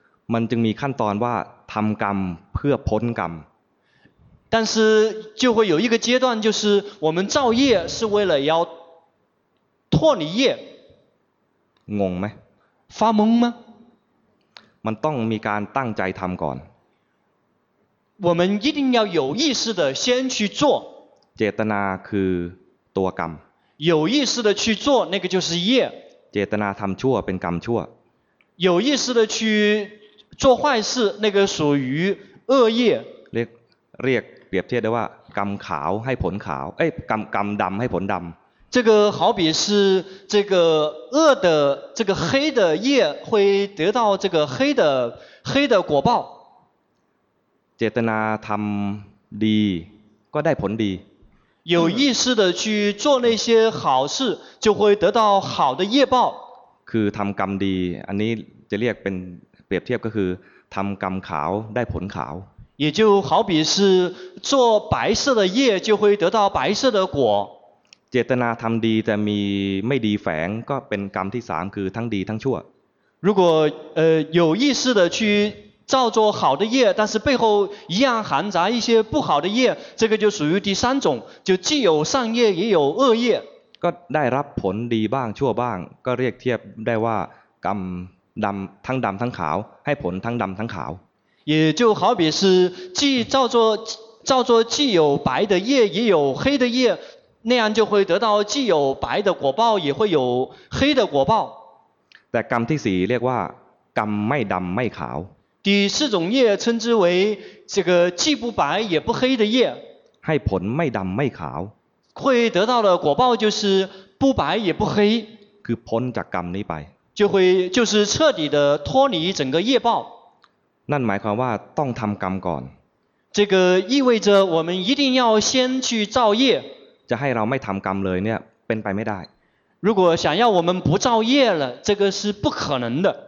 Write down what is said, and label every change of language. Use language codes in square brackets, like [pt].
[th] มันจึงมีขั้นตอนว่าทำกรรมเพื่อพ้นกรรม [zh] 但是就会有一个阶段就是我们造业是为了要脱离业 [th] งงไหม [zh] 发懵吗 [th] มันต้องมีการตั้งใจทำก่อน [zh] 我们一定要有意识的先去做 [th] เจตนาคือตัวกรรม [zh] 有意识的去做那个就是业 [th] เจตนาทำชั่วเป็นกรรมชั่ว [zh] 有意识的去做坏事那个属于恶业 [th] เรียกเปรียบเทียบได้ว่ากรรมขาวให้ผลขาวเอ้ยกรรมดำให้ผลดำ [zh] 这个好比是这个恶的这个黑的业会得到这个黑的果报 [th] เจตนาทำดีก็ได้ผลดี [zh] 有意识的去做那些好事就会得到好的业报 [th] คือทำกรรมดีอันนี้จะเรียกเป็นเปรียบเทียบก็คือทำกรรมขาวได้ผลขาว [zh] 也就好比是做白色的业就会得到白色的果 [th] เจตนาทำดีแต่มีไม่ดีแฝงก็เป็นกรรมที่สามคือทั้งดีทั้งชั่ว [zh] 如果有意识的去造作好的业但是背后一样含杂一些不好的业这个就属于第三种就既有善业也有恶业 [th] ก็ได้รับผลดีบ้างชั่วบ้างก็เรียกเทียบได้ว่ากรรมดำทั้งดำทั้งขาวให้ผลทั้งดำทั้งขาว [zh] 也就好比是既造作既有白的业也有黑的业那样就会得到既有白的果报也会有黑的果报 [th] แต่กรรมที่สี่เรียกว่ากรรมไม่ดำไม่ขาว [zh] 第四种业称之为这个既不白也不黑的业 [th] ให้ผลไม่ดำไม่ขาว [zh] 会得到的果报就是不白也不黑 [th] คือพ้นจากกรรมนี้ไป [zh] 就是彻底的脱离整个业报 [th] นั่นหมายความว่าต้องทำกรรมก่อน [zh] 这个意味着我们一定要先去造业 เ [th] จะให้เราไม่ทำกรรมเลยเนี่ยเป็นไปไม่ได้ [zh] 如果想要我们不造业了这个是不可能的